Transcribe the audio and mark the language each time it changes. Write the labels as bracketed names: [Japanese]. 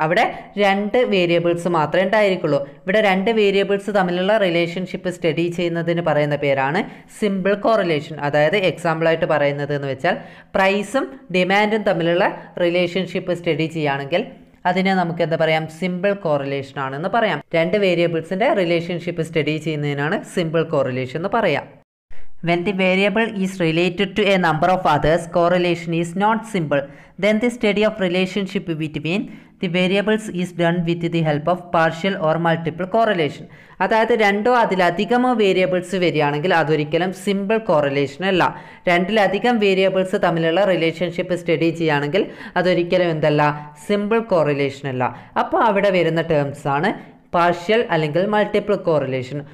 [Malayalam] അവിടെ രണ്ട് വേരിയബിൾസ് മാത്രമേ ഉണ്ടായിരിക്കുള്ളൂ. ഇവിടെ രണ്ട് വേരിയബിൾസ് തമ്മിലുള്ള റിലേഷൻഷിപ്പ് സ്റ്റഡി ചെയ്യുന്നതിന് പറയുന്ന പേരാണ് സിമ്പിൾ കോറിലേഷൻ. അതായത് എക്സാമ്പിളായിട്ട് പറയുന്നത് എന്ന് വെച്ചാൽ, പ്രൈസും ഡിമാൻഡും തമ്മിലുള്ള റിലേഷൻഷിപ്പ് സ്റ്റഡി ചെയ്യുകയാണെങ്കിൽ അതിനെ നമുക്ക് എന്താ പറയാം, സിമ്പിൾ കോറിലേഷൻ ആണെന്ന് പറയാം. രണ്ട് വേരിയബിൾസിൻ്റെ റിലേഷൻഷിപ്പ് സ്റ്റഡി ചെയ്യുന്നതിനാണ് സിമ്പിൾ കോറിലേഷൻ എന്ന് പറയാം. [English] When the variable is related to a number of others, correlation is not simple. Then the study of relationship between the variables is done with the help of partial or multiple correlation. [Malayalam] അതായത് രണ്ടോ അതിലധികമോ variables വരികയാണെങ്കിൽ അതൊരിക്കലും simple correlation അല്ല. രണ്ടിലധികം variables തമ്മിലുള്ള relationship study ചെയ്യുകയാണെങ്കിൽ അതൊരിക്കലും എന്തല്ല, സിമ്പിൾ കോറിലേഷൻ അല്ല. അപ്പോൾ അവിടെ വരുന്ന ടേംസ് ആണ് പാർഷ്യൽ അല്ലെങ്കിൽ മൾട്ടിപ്പിൾ കോറിലേഷൻ.